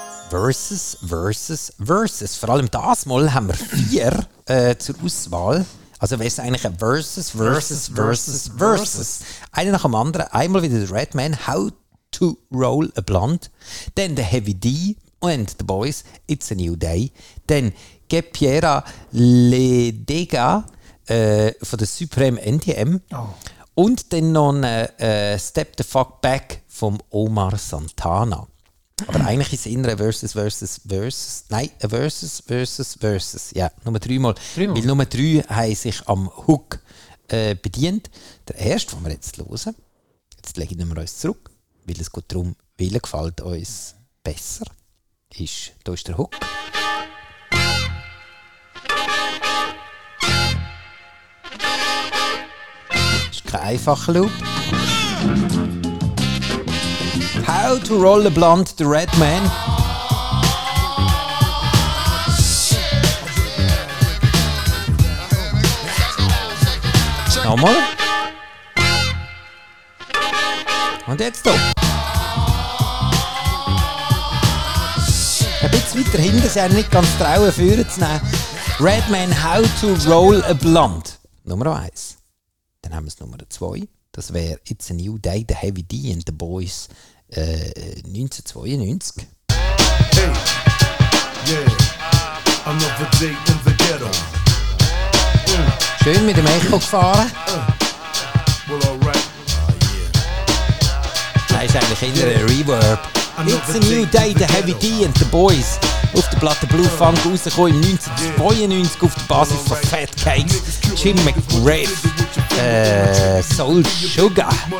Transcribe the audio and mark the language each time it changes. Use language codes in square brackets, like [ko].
[de] Versus, Versus, Versus. Vor allem das Mal haben wir vier zur Auswahl. Also wäre es eigentlich ein Versus, Versus, Versus, Versus. Einer nach dem anderen. Einmal wieder der Redman, How to Roll a Blunt. Dann der Heavy D. and the Boys, It's a New Day. Dann Que Piera Le Dega von der Supreme NTM. Oh. Und dann noch ein Step the Fuck Back vom Omar Santana. Aber eigentlich ist es immer ein Versus, Versus, Versus. Nein, ein Versus, Versus, Versus. Ja, Nummer 3 mal. Weil Nummer 3 haben sich am Hook bedient. Der erste, den wir jetzt hören, jetzt legen wir uns zurück, weil es geht darum, welcher gefällt uns besser, ist, da ist der Hook. Ist kein einfacher Loop. How to roll a blunt, the red man. Nochmal. Und jetzt doch. Ein bisschen weiter hinten, sie haben nicht ganz trauen, führen zu nehmen. Redman, how to roll a blunt. Nummer 1. Dann haben wir es Nummer 2. Das wäre It's a New Day, the Heavy D and the Boys 1992. [en] Hey, yeah, another day in the ghetto. [de] Schön mit dem Echo gefahren. [en] Well, alright. [de] Das ist eigentlich eher ein Reverb. It's a New Day, the Heavy D and the Boys. Auf der Platte Blue Funk rausgekommen im 1992 auf der Basis von Fat Cakes, Jim McGriff, Soul Sugar.